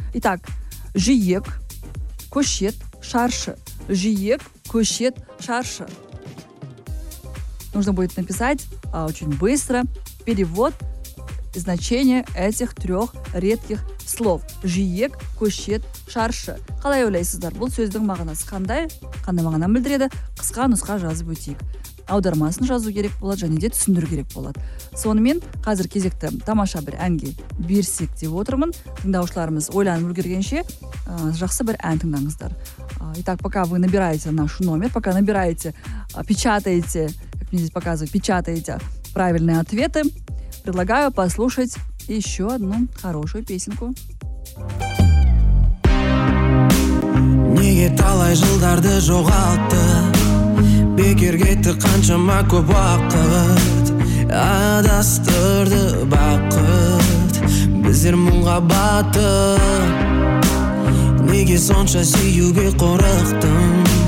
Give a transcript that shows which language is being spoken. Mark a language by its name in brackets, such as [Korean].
[Kazakh] Итак, жиек, кошет, шарша. Жиек, кошет, шарша. [Russian] Нужно будет написать очень быстро перевод значения этих трех редких слов. [Kazakh] Жиек, кошет, шарша. Қалай ойлайсыздар? Бұл сөздің мағынасы қандай? Қандай мағынан білдіреді? Қысқа нұсқа жазып өтейік. Аудармасын жазу керек болады, және де түсіндіру керек болады. Сонымен қазір кезекті тамаша бір әнге берсек деп отырмын. Тыңдаушыларымыз ойланып үлгергенше, жақсы бір ән тыңдаңыздар. [Russian] Итак, пока вы набираете наш номер, пока набираете, печатаете, как мне здесь показывают, печатаете правильные ответы, предлагаю послушать еще одну хорошую песенку. [Kazakh] Неге талай жылдарды жоғалтты? Бекер кетті қаншама көп уақыт Адастырды бақыт Біздер мұңға батып Неге сонша сүйуге қорықтым